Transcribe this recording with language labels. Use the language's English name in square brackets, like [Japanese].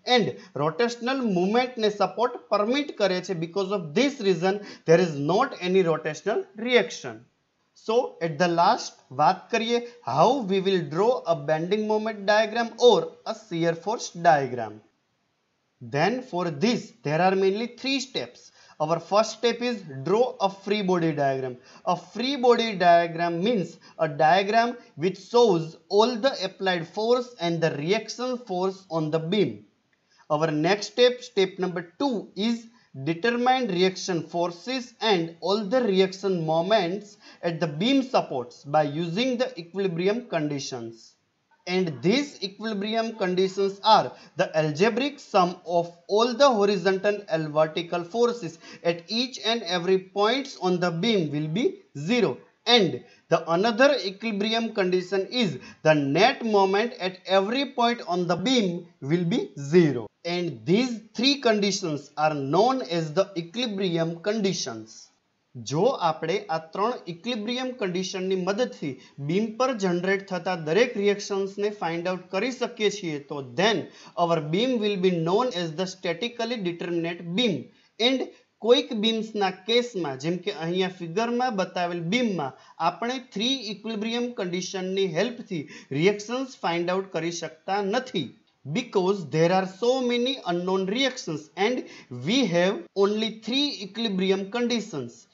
[English] and rotational મૂવમેન્ટને support permit [Gujarati] કરે છે, [English] Because of this reason there is not any rotational reaction. So at the last [Gujarati] વાત કરીએ [English] How we will draw a bending moment diagram or a shear force diagram. Then for this there are mainly three steps. Our first step is draw a free body diagram. A free body diagram means a diagram which shows all the applied force and the reaction force on the beam. Our next step, step number 2, is determine reaction forces and all the reaction moments at the beam supports by using the equilibrium conditions. And these equilibrium conditions are the algebraic sum of all the horizontal and vertical forces at each and every points on the beam will be zero. And the another equilibrium condition is the net moment at every point on the beam will be zero. And these three conditions are known as the equilibrium conditions. [Gujarati] જો આપણે આ ત્રણ equilibrium કન્ડિશનની મદદથી beam પર generate થતા દરેક રિએક્શન્સને find out કરી શકીએ છીએ તો [English] then our beam will be known as the statically determinate beam [Gujarati] and કોઈક બીમ્સના કેસમાં જેમ કે અહીંયા ફિગરમાં બતાવેલ બીમમાં આપણે three equilibrium કન્ડિશનની હેલ્પથી reactions find out કરી શકતા નથી [English] because there are so many unknown reactions and we have only three equilibrium conditions.